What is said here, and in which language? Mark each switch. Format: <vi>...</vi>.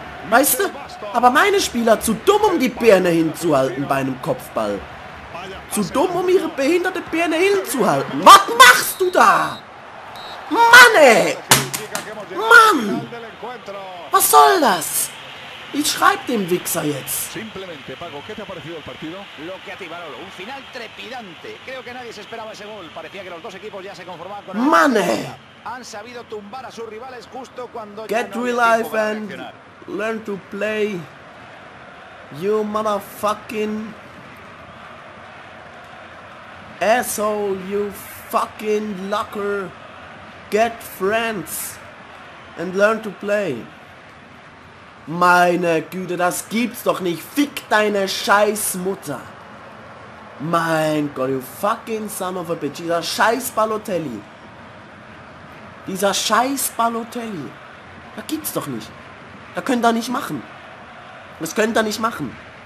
<de>Weißt du, aber meine Spieler zu dumm, um die Birne hinzuhalten bei einem Kopfball. Zu dumm, um ihre behinderte Birne hinzuhalten. Was machst du da? Mann, ey. Mann. Was soll das? Ich schreib dem Wichser jetzt.</de> <es>Simplemente, Paco, ¿qué te ha parecido el partido? Lo que atibaró, un final trepidante. Creo que nadie se esperaba ese gol. Parecía que los dos equipos ya se conformaban con... ¡Mane! Han sabido tumbar a sus rivales justo cuando...</es> <en>Get real life and learn to play. You motherfucking... Asshole, you fucking locker. Get friends and learn to play.</en> <de>Meine Güte, das gibt's doch nicht. Fick deine Scheißmutter. Mein Gott,</de> <en>you fucking son of a bitch.</en> <de>Dieser scheiß Balotelli. Dieser scheiß Balotelli. Da gibt's doch nicht. Da könnt ihr nicht machen. Das könnt ihr nicht machen.</de>